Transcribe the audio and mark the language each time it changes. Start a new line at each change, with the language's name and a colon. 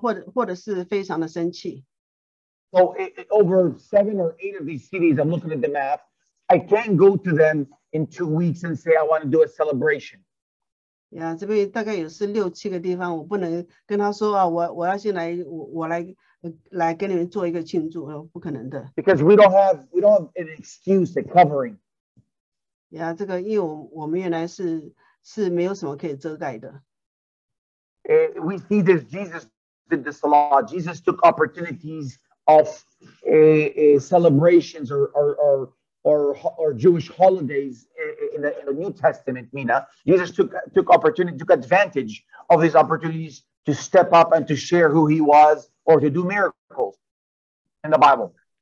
Chinese: 他们通常呢，不是关掉呢，或者是非常的生气。
English: So over 7 or 8 of these cities, I'm looking at the map. I can't go to them in 2 weeks and say, I want to do a celebration.
Chinese: Yeah, 这边大概有6-7个地方，我不能跟他说啊，我要先来跟你们做一个庆祝，不可能的。
English: Because we don't have an excuse, a covering.
Chinese: Yeah, 这个因为我们原来是没有什么可以遮盖的。
English: We see this, Jesus did this a lot. Jesus took opportunities of celebrations or Jewish holidays in the New Testament, Mina. Jesus took advantage of these opportunities to step up and to share who he was or to do miracles in the Bible.